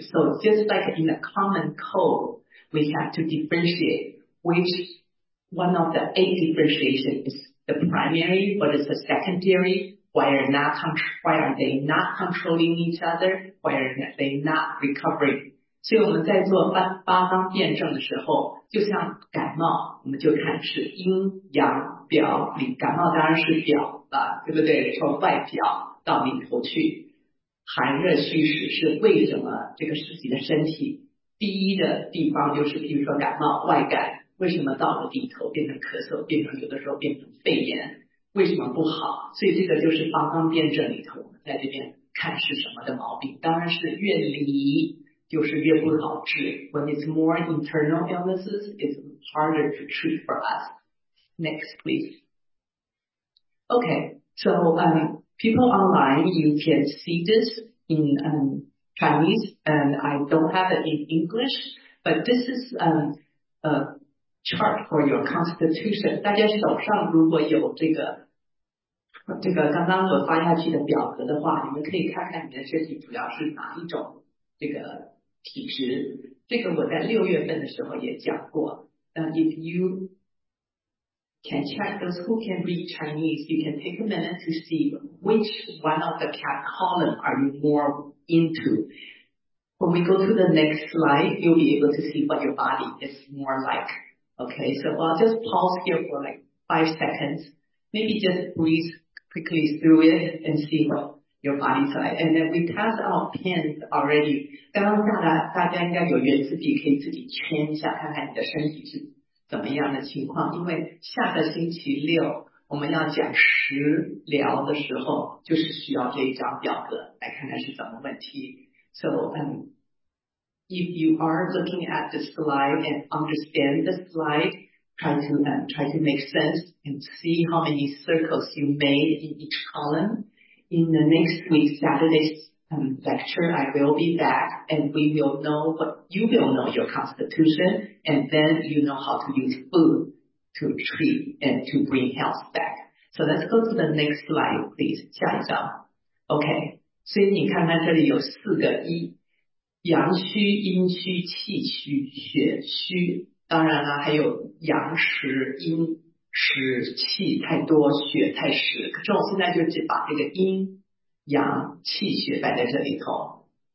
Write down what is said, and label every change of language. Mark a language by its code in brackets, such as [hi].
[en] So just like in a common cold, we have to differentiate which one of the eight differentiation is the primary, what is the secondary, why are they not controlling each other, why are they not recovering. [zh] 所以我们在做八纲辨证的时候，就像感冒，我们就看是阴阳表里，感冒当然是表了，对不对？从外表到里头去，寒热虚实是为什么这个自己的身体第一的地方就是比如说感冒外感，为什么到了里头变成咳嗽，变成有的时候变成肺炎，为什么不好？所以这个就是八纲辨证里头，我们在这边看是什么的毛病，当然是越离就是越不好治。 [en] When it's more internal illnesses, it's harder to treat for us. Next, please. Okay, so people online, you can see this in Chinese, and I don't have it in English, but this is a chart for your constitution. [zh] 大家手上如果有这个刚刚我发下去的表格的话，你们可以看看你的身体主要是哪一种这个体质。这个我在六月份的时候也讲过。 [en] If you can check those who can read Chinese, you can take a minute to see which one of the cat column are you more into. When we go to the next slide, you'll be able to see what your body is more like. Okay, so I'll just pause here for like 5 seconds. Maybe just breathe quickly through it and see what your body is like. And then we pass our pens already. [zh] 刚刚大家应该有原子笔，可以自己圈一下，看看你的身体是怎么样的情况。因为下个星期六我们要讲食疗的时候，就是需要这一张表格来看看是怎么问题。 [en] If you are looking at the slide and understand the slide, try to make sense and see how many circles you made in each column. In the next week, Saturday's lecture, I will be back and we will know what you will know your constitution, and then you know how to use food to treat and to bring health back. So let's go to the next slide, please. [zh] 下一张。 [en] Okay. [zh] 所以你看看这里有四个一。阳虚、阴虚、气虚、血虚，当然了，还有阳实、阴实、气太多、血太实。可是我现在就只把这个阴、阳、气血摆在这里头。